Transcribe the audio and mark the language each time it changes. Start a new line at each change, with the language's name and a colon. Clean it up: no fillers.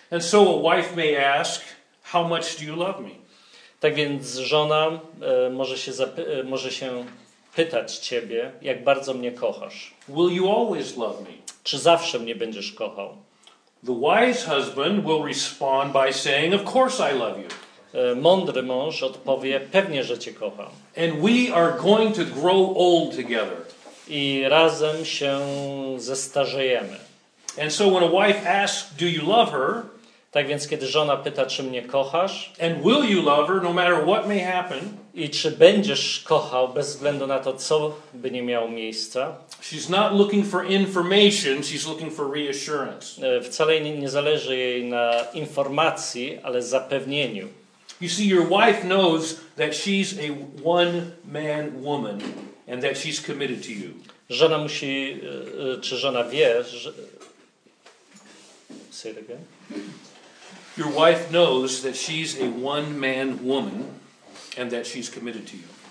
English: And so a wife may ask, how much do you love me?
Polish: Tak więc żona może się pytać ciebie, jak bardzo mnie kochasz.
English: Will you always love me?
Polish: Czy zawsze mnie będziesz kochał?
English: The wise husband will respond by saying, of course I love you.
Polish: Mądry mąż odpowie, pewnie, że cię kocham.
English: And we are going to grow old together.
Polish: I razem się zestarzejemy.
English: And so when a wife asks, do you love her?
Polish: Tak więc, kiedy żona pyta, czy mnie kochasz?
English: And will you love her, no matter what may happen?
Polish: I czy będziesz kochał, bez względu na to, co by nie miało miejsca?
English: She's not looking for information, she's looking for reassurance.
Polish: Wcale nie zależy jej na informacji, ale zapewnieniu.
English: You see, your wife knows that she's a one-man woman and that she's committed to you.
Polish: Żona musi, czy żona wie, że...
English: Say it again. Your wife knows that she's a one-man woman and that she's committed to you.